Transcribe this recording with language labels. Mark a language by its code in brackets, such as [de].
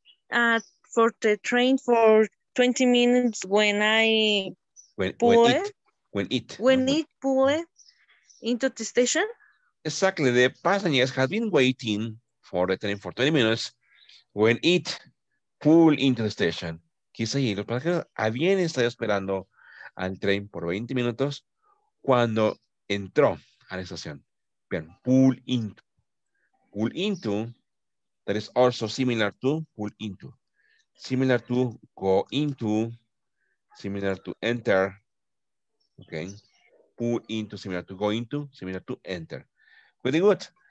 [en] For the train for 20 minutes when it pulled into the station. Exactly. The passengers have been waiting for the train for 20 minutes when it pulled into the station. [es] Quise ir. Los pasajeros habían estado esperando al tren por 20 minutos cuando entró a la estación. [en] Bien, pull into. Pull into, that is also similar to pull into. Similar to go into, similar to enter. Okay. Pull into, similar to go into, similar to enter. Very good.